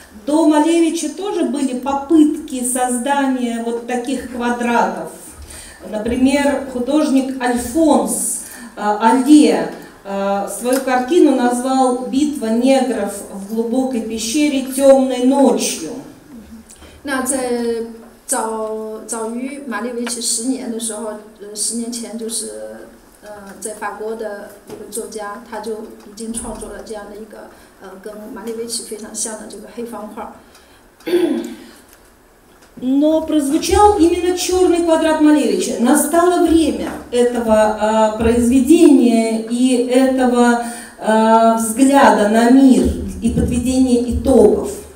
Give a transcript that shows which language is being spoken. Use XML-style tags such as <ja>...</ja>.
<ru>До Малевича тоже были попытки создания вот таких квадратов. Например, художник Альфонс Алье свою картину назвал «Битва негров в глубокой пещере темной ночью».</ru> <zh>那在早于马列维奇十年的时候，十年前就是在法国的一个作家，他就已经创作了这样的一个跟马列维奇非常像的这个黑方块。</zh> <ru>Но прозвучал именно черный квадрат Малевича. Настало время этого произведения и этого взгляда на мир и подведения итогов.</ru>